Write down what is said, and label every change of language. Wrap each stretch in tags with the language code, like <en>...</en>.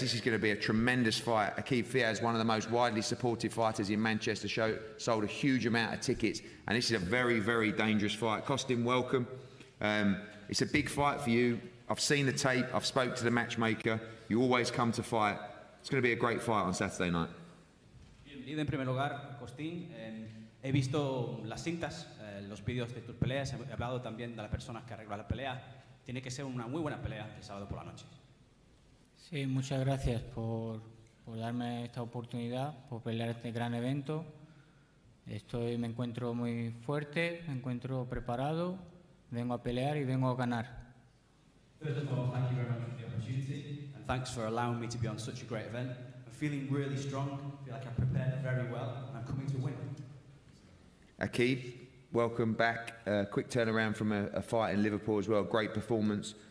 <en>This is going to be a tremendous fight. Akib Fiaz, one of the most widely supported fighters in Manchester, sold a huge amount of tickets, and this is a very, very dangerous fight. Costin, welcome. It's a big fight for you. I've seen the tape. I've spoke to the matchmaker. You always come to fight. It's going to be a great fight on Saturday night.</en> <es>Bienvenido en primer lugar, Costin. He visto las cintas, los vídeos de tus peleas. He hablado también de las personas que arreglan la pelea. Tiene que ser una muy buena pelea el sábado por la noche. Sí, muchas gracias por darme esta oportunidad, por pelear este gran evento. Me encuentro muy fuerte, me encuentro preparado, vengo a pelear y vengo a ganar.</es> <en>First of all, thank you very much for the opportunity, and thanks for allowing me to be on such a great event. I'm feeling really strong, I feel like I've prepared very well, and I'm coming to win. Akib, welcome back. Quick turnaround from a fight in Liverpool as well, great performance.</en>